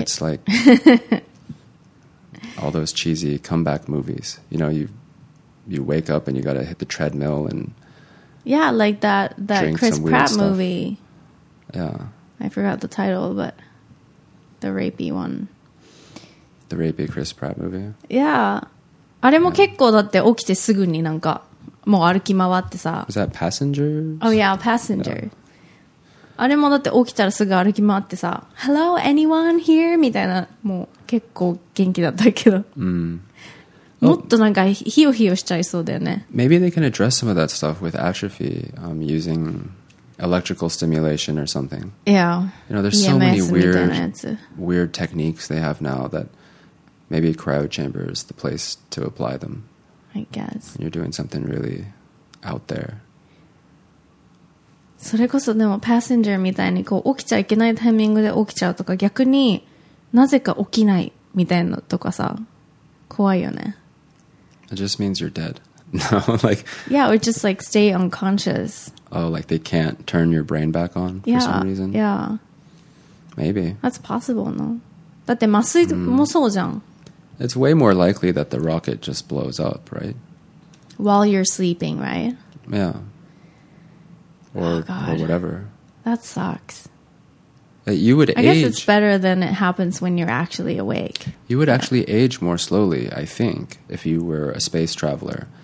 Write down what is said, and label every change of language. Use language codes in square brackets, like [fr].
[en] It's like all those cheesy comeback movies. You know, you wake up and you got to hit the treadmill and... Yeah, like that Chris Pratt movie. Yeah. I forgot the title, but the rapey one. The rapey Chris Pratt movie? Yeah. [ja] あれも結構だって起きてすぐになんかもう歩き回ってさ。 [en] Is that passengers? Oh yeah, passenger. Yeah. [ja] あれもだって起きたらすぐ歩き回ってさ。 [en] Hello, anyone here? [ja] みたいな。もう結構元気だったけど。 Mm. [en] Well, [ja] もっとなんかヒヨヒヨしちゃいそうだよね。 [en] Maybe they can address some of that stuff with atrophy, using electrical stimulation or something. Yeah. You know, there's so many weird techniques they have now that... Maybe a cryo chamber is the place to apply them. I guess. And you're doing something really out there. [ja] それこそでもパッセンジャーみたいにこう起きちゃいけないタイミングで起きちゃうとか逆になぜか起きないみたいなとかさ怖いよね。 [en] It just means you're dead. No, like... Yeah, or just like stay unconscious. Oh, like they can't turn your brain back on for some reason? Yeah. Maybe. That's possible, no? [ja] だって麻酔もそうじゃん。 [en] It's way more likely that the rocket just blows up, right? While you're sleeping, right? Yeah. Or whatever. That sucks. You would age. I guess it's better than it happens when you're actually awake. You would actually age more slowly, I think, if you were a space traveler.